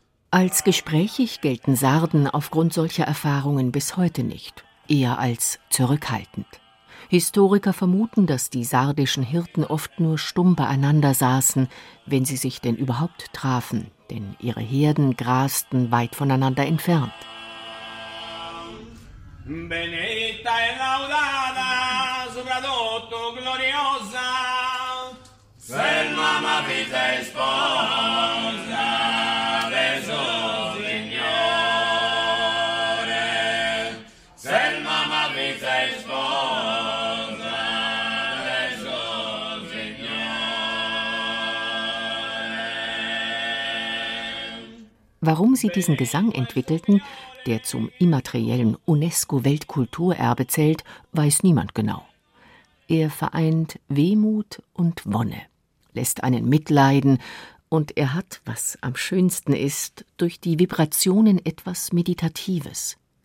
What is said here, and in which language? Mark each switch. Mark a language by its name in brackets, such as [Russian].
[German] Als gesprächig gelten Sarden aufgrund solcher Erfahrungen bis heute nicht, eher als zurückhaltend. Historiker vermuten, dass die sardischen Hirten oft nur stumm beieinander saßen, wenn sie sich denn überhaupt trafen, denn ihre Herden grasten weit voneinander entfernt. [Italian] Benedetta e laudata, soprattutto gloriosa, se mamma vita e sposa del suo Signore, se mamma vita e sposa del suo Signore. [German] Warum sie diesen Gesang entwickelten, der zum immateriellen UNESCO-Weltkulturerbe zählt, weiß niemand genau. Er vereint Wehmut und Wonne, lässt einen mitleiden und er hat, was am schönsten ist, durch die Vibrationen etwas Meditatives.